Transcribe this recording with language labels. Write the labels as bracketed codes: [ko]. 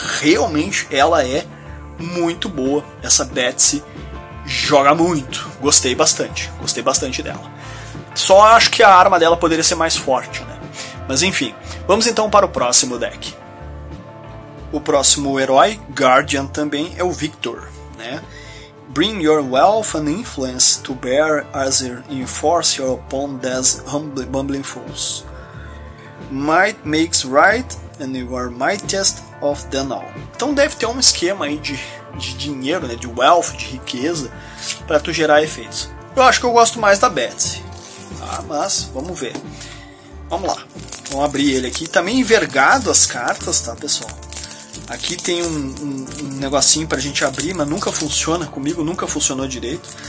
[pt] Realmente ela é muito boa. Essa Betsy joga muito. Gostei bastante. Gostei bastante dela. Só acho que a arma dela poderia ser mais forte, né? Mas enfim, vamos então para o próximo deck. O próximo herói, Guardian, também é o Victor, né? [en] Bring your wealth and influence to bear as you enforce your opponent's bumbling fools. Might makes right and you are mightiest of them all. [pt] Então deve ter um esquema aí de dinheiro, né, de wealth, de riqueza, para tu gerar efeitos. Eu acho que eu gosto mais da Betsy. Ah, mas vamos ver. Vamos lá. Vamos abrir ele aqui. Tá meio envergado as cartas, tá, pessoal? Aqui tem um negocinho pra gente abrir, mas nunca funciona comigo, nunca funcionou direito.